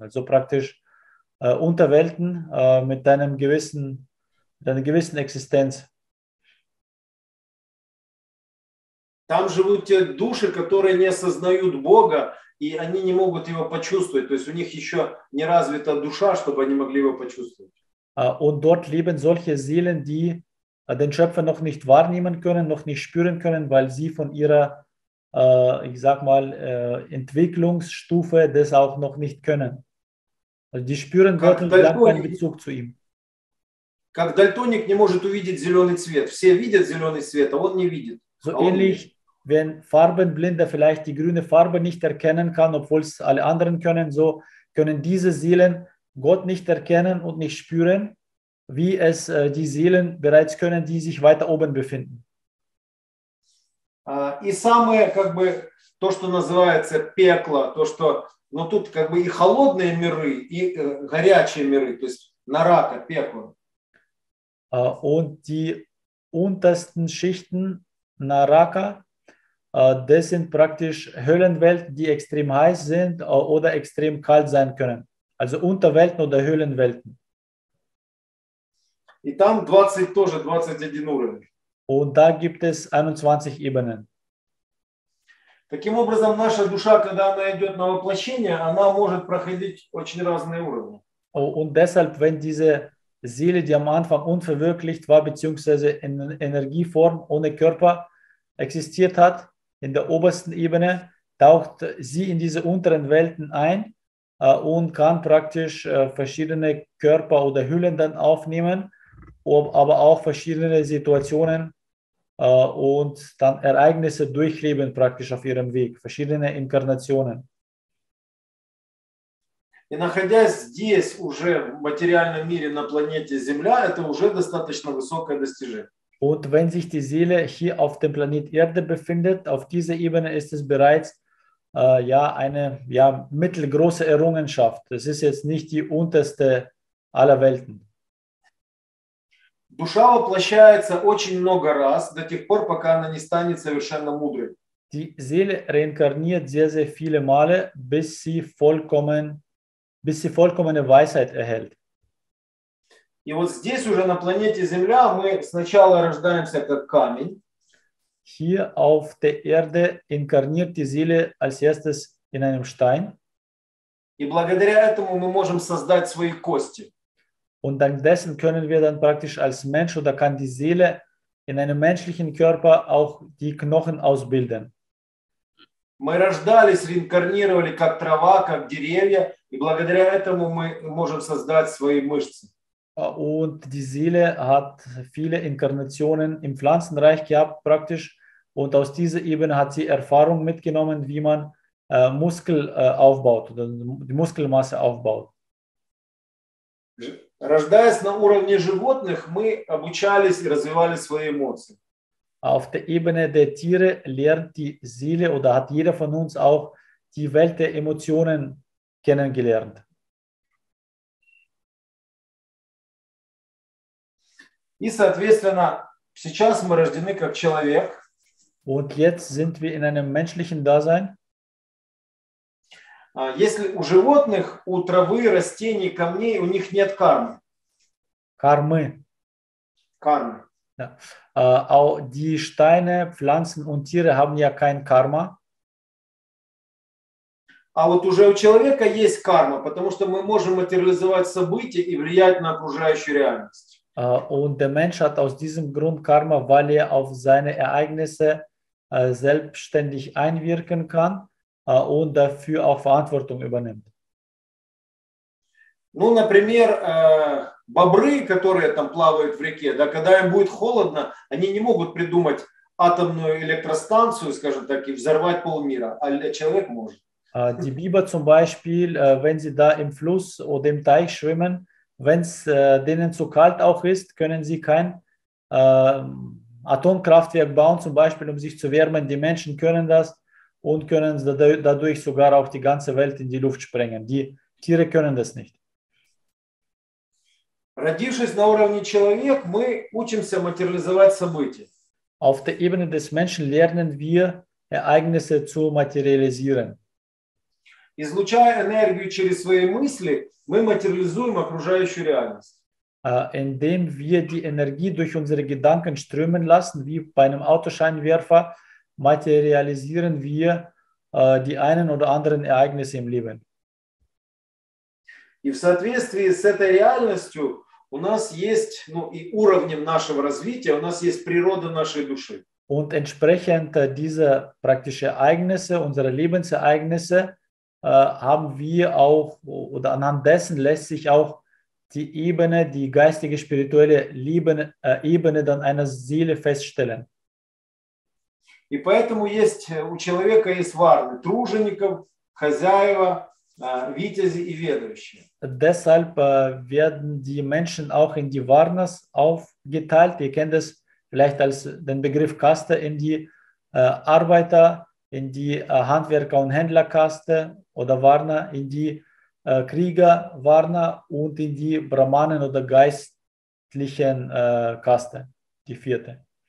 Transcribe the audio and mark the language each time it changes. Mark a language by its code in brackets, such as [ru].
[de] Also praktisch Unterwelten mit einer gewissen Existenz. [ru] Там живут те души, которые не осознают Бога, и они не могут его почувствовать. То есть у них еще не развита душа, чтобы они могли его почувствовать. [de] Und dort leben solche Seelen, die den Schöpfer noch nicht wahrnehmen können, noch nicht spüren können, weil sie von ihrer, Entwicklungsstufe das auch noch nicht können. Also die spüren Gott und haben keinen Bezug zu ihm. [ru] Как дальтоник не может увидеть зеленый цвет. Все видят зеленый цвет, а он не видит. [de] So ähnlich, wenn Farbenblinde vielleicht die grüne Farbe nicht erkennen kann, obwohl es alle anderen können, so können diese Seelen Gott nicht erkennen und nicht spüren, wie es die Seelen bereits können, die sich weiter oben befinden. [ru] И самое, как бы, то, что называется пекло, то, что, ну, тут, как бы, и холодные миры, и горячие миры, то есть нарака, пекло. [de] Und die untersten Schichten Нарака, das sind praktisch Höhlenwelten, die extrem heiß sind oder extrem kalt sein können. Also Unterwelten oder Höhlenwelten. [ru] И там 20, тоже 21 уровень. [de] Und da gibt es 21 Ebenen. [ru] Таким образом, наша душа, когда она идет на воплощение, она может проходить очень разные уровни. [de] Und deshalb, wenn diese Seele, die am Anfang unverwirklicht war, beziehungsweise in Energieform ohne Körper existiert hat, in der obersten Ebene, taucht sie in diese unteren Welten ein und kann praktisch verschiedene Körper oder Hüllen dann aufnehmen, aber auch verschiedene Situationen und dann Ereignisse durchleben praktisch auf ihrem Weg, verschiedene Inkarnationen. [ru] И находясь здесь уже в материальном мире на планете Земля, это уже достаточно высокое достижение. [de] Und wenn sich die Seele hier auf dem Planet Erde befindet, auf dieser Ebene ist es bereits eine mittelgroße Errungenschaft. Das ist jetzt nicht die unterste aller Welten. [ru] Душа воплощается очень много раз до тех пор, пока она не станет совершенно мудрой. [de] Die Seele reinkarniert sehr, sehr viele Male, bis sie vollkommene Weisheit erhält. [ru] И вот здесь уже на планете Земля мы сначала рождаемся как камень. [de] Hier auf der Erde inkarniert die Seele als erstes in einem Stein. [ru] И благодаря этому мы можем создать свои кости. [de] Und dank dessen können wir dann praktisch als Mensch oder kann die Seele in einem menschlichen Körper auch die Knochen ausbilden. [ru] Мы рождались, реинкарнировали как трава, как деревья, и благодаря этому мы можем создать свои мышцы. [de] Und die Seele hat viele Inkarnationen im Pflanzenreich gehabt praktisch und aus dieser Ebene hat sie Erfahrung mitgenommen, wie man Muskelmasse aufbaut. [ru] Рождаясь на уровне животных, мы обучались и развивали свои эмоции. [de] Auf der Ebene der Tiere lernt die Seele oder hat jeder von uns auch die Welt der Emotionen kennengelernt. [ru] И, соответственно, сейчас мы рождены как человек. [de] Und jetzt sind wir in einem menschlichen Dasein. [ru] Если у животных, у травы, растений, камней, у них нет кармы. Кармы. [de] Karma. Ja. Auch die Steine, Pflanzen und Tiere haben ja kein Karma. [ru] А вот уже у человека есть карма, потому что мы можем материализовать события и влиять на окружающую реальность. [de] Und der Mensch hat aus diesem Grund Karma, weil er auf seine Ereignisse selbstständig einwirken kann und dafür auch Verantwortung übernimmt. [ru] Ну, например, бобры, которые там плавают в реке, да, когда им будет холодно, они не могут придумать атомную электростанцию, скажем так, и взорвать полмира, а человек может. [de] Die Biber zum Beispiel, wenn sie da im Fluss oder im Teich schwimmen, wenn es denen zu kalt auch ist, können sie kein Atomkraftwerk bauen, zum Beispiel, um sich zu wärmen. Die Menschen können das und können dadurch sogar auch die ganze Welt in die Luft sprengen. Die Tiere können das nicht. [ru] Родившись на уровне человек, мы учимся материализовать события. [de] Auf der Ebene des Menschen lernen wir, Ereignisse zu materialisieren. [ru] Излучая энергию через свои мысли, мы материализуем окружающую реальность. [de] Indem wir die Energie durch unsere Gedanken strömen lassen, wie bei einem Autoscheinwerfer, materialisieren wir die einen oder anderen Ereignisse im Leben. [ru] И в соответствии с этой реальностью у нас есть, ну и уровнем нашего развития, у нас есть природа нашей души. [de] Und entsprechend dieser praktischen Ereignisse, unserer Lebensereignisse, haben wir auch, oder anhand dessen lässt sich auch die Ebene, die geistige, spirituelle Ebene dann einer Seele feststellen. [ru] И поэтому есть, у человека есть варны, тружеников, хозяева, витязи и ведущие. [de] Deshalb werden die Menschen auch in die Varnas aufgeteilt. Ihr kennt es vielleicht als den Begriff Kaste, in die Arbeiter, in die Handwerker- und Händlerkaste oder Varna, in die Krieger-Varna und in die Brahmanen- oder geistlichen Kaste, die vierte.